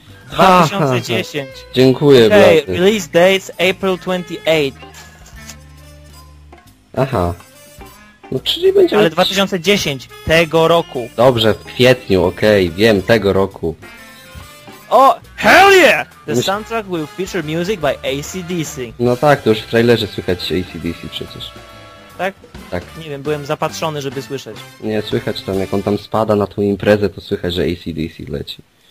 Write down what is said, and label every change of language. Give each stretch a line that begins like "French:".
Polish: 2010. Ha, ha, ha. Dziękuję, okay, bardzo.
English: Release dates April 28.
Polish: Aha. No czyli będziemy... Ale 2010, tego roku. Dobrze, w kwietniu, okej, wiem, tego roku.
English: O, hell yeah! The soundtrack will feature music by AC/DC.
Polish: No tak, to już w trailerze słychać się AC/DC przecież. Tak? Tak. Nie wiem, byłem zapatrzony, żeby słyszeć. Nie, słychać tam, jak on tam spada na tą imprezę, to słychać, że AC/DC leci.